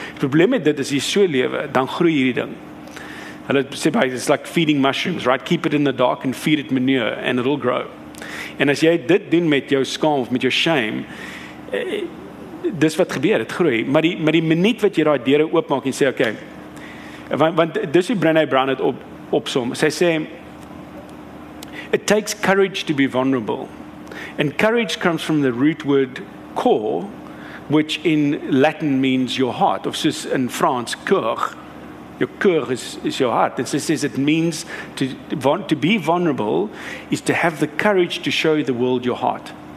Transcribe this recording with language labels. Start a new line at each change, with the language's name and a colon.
Afrikaans: Die probleem met dit is, jy so lewe, dan groei hierdie ding. Hulle sê by,
English: it's like feeding mushrooms, right? Keep it in the dark and feed it manure and it'll grow.
Afrikaans: En as jy dit doen met jou skam of met jou shame, dis wat gebeur, het groei. Maar die minuut wat jy daai deure oopmaak en sê, okay, want dis hoe Brené Brown het opsom. Sy sê,
English: it takes courage to be vulnerable. And courage comes from the root word cor, which in Latin means your heart.
Afrikaans: Of soos in Frans,
English: cœur. Your cœur is your heart. And so it says it means to be vulnerable is to have the courage to show the world your heart.